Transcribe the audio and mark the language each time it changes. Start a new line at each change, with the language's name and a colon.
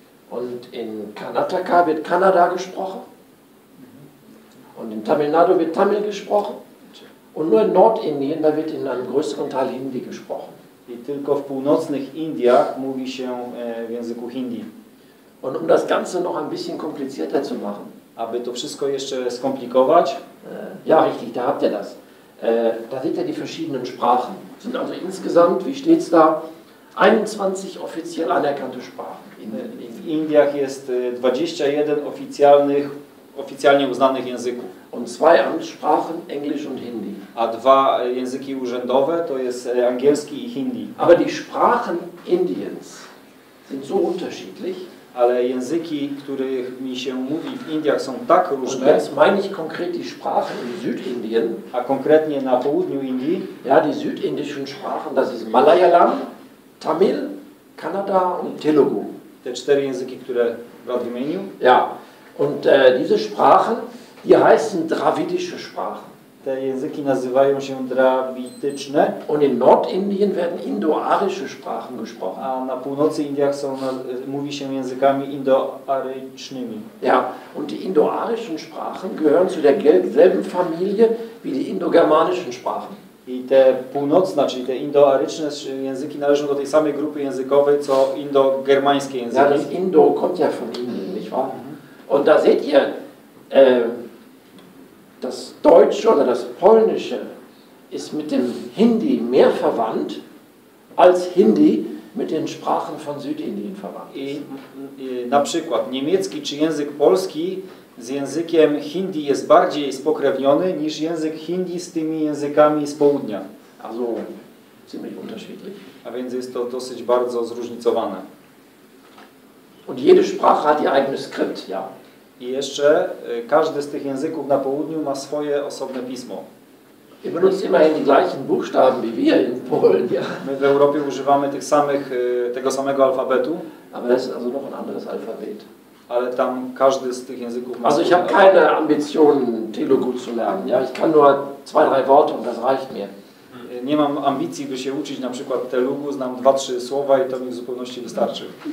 German: Und in Karnataka wird Kannada gesprochen. Und in Tamil Nadu wird Tamil gesprochen. Und nur in Nordindien, da wird in einem größeren Teil Hindi gesprochen.
Polish: I tylko w północnych Indiach mówi się w języku Hindi.
German: Und um das Ganze noch ein bisschen komplizierter zu machen.
Polish: Aby to wszystko jeszcze skomplikować.
German: Ja, richtig, da habt ihr das. Da seht ihr die verschiedenen Sprachen. Es sind also insgesamt, wie steht's da, 21 offiziell anerkannte Sprachen.
Polish: W Indiach jest 21 oficjalnie uznanych języków.
German: Und zwei Amtssprachen, Englisch und Hindi.
Polish: A dwa języki urzędowe to jest angielski i Hindi.
German: Aber die Sprachen Indiens sind so unterschiedlich.
Polish: Ale języki, których mi się mówi w Indiach, są tak różne.
German: Und jetzt meine ich konkret die Sprachen in Südindien.
Polish: A konkretnie na południu Indii.
German: Ja, die südindischen Sprachen, das ist Malayalam, Tamil, Kannada und Telugu.
Polish: Te cztery języki, które brat wymienił.
German: Ja. Und diese Sprachen, die heißen dravidische Sprachen.
Polish: Te języki nazywają się drawitycznie.
German: Und in Nordindien werden indoarische Sprachen gesprochen.
Polish: A na północy Indiach mówi się językami indoarycznymi.
German: Ja. Und die indoarischen Sprachen gehören zu der selben Familie wie die indogermanischen Sprachen.
Polish: I te północne, czyli te indoaryczne języki należą do tej samej grupy językowej, co indogermańskie języki.
German: Ja, das Indo kommt ja von Indien, nicht wahr? Und da seht ihr, das Deutsche oder das Polnische ist mit dem Hindi mehr verwandt, als Hindi mit den Sprachen von Südindien verwandt.
Polish: I na przykład niemiecki czy język polski z językiem Hindi jest bardziej spokrewniony niż język Hindi z tymi językami z południa.
German: Also, ziemlich unterschiedlich.
Polish: A więc jest to dosyć bardzo zróżnicowane.
German: Und jede Sprache hat ihr eigenes Skript, ja.
Polish: I jeszcze każdy z tych języków na południu ma swoje osobne pismo.
German: Wir benutzen immerhin die gleichen Buchstaben wie wir in Polen, ja.
Polish: My w Europie używamy tego samego alfabetu.
German: Aber das ist also noch ein anderes Alphabet.
Polish: Ale tam każdy z tych języków ma.
German: Also ich habe keine Ambitionen Telugu zu lernen. Ja, ich kann nur zwei, drei Worte und das reicht mir.
Polish: Nie mam ambicji, by się uczyć na przykład Telugu, znam 2-3 słowa i to mi w zupełności wystarczy.